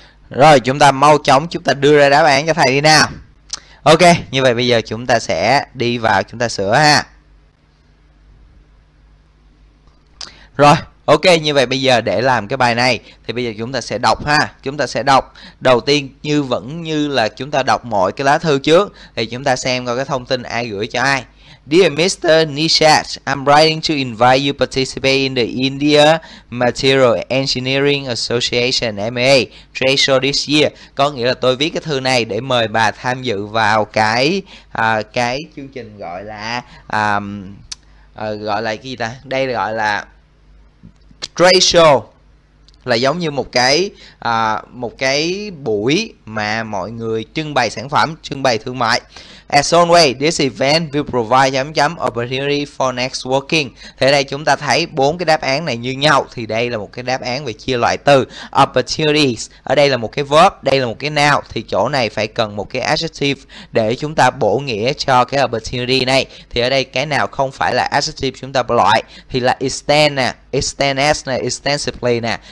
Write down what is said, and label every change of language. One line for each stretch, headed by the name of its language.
Vietnamese: Rồi, chúng ta mau chóng chúng ta đưa ra đáp án cho thầy đi nào. Ok, như vậy bây giờ chúng ta sẽ đi vào chúng ta sửa ha. Rồi, ok, như vậy bây giờ để làm cái bài này thì bây giờ chúng ta sẽ đọc ha. Chúng ta sẽ đọc đầu tiên như vẫn như là chúng ta đọc mọi cái lá thư trước thì chúng ta xem coi cái thông tin ai gửi cho ai.
English: Dear Mr. Nishat, I'm writing to invite you to participate in the India Material Engineering Association MA trade show this year.
Vietnamese: Có nghĩa là tôi viết cái thư này để mời bà tham dự vào cái chương trình gọi là cái gì ta? Đây gọi là trade show. Là giống như một cái buổi mà mọi người trưng bày sản phẩm, trưng bày thương mại.
English: As always, this event will provide opportunity for networking.
Vietnamese: Thế đây chúng ta thấy bốn cái đáp án này như nhau thì đây là một cái đáp án về chia loại từ opportunities. Ở đây là một cái verb, đây là một cái noun thì chỗ này phải cần một cái adjective để chúng ta bổ nghĩa cho cái opportunity này. Thì ở đây cái nào không phải là adjective chúng ta loại thì là extend nè, extends nè, extensively nè.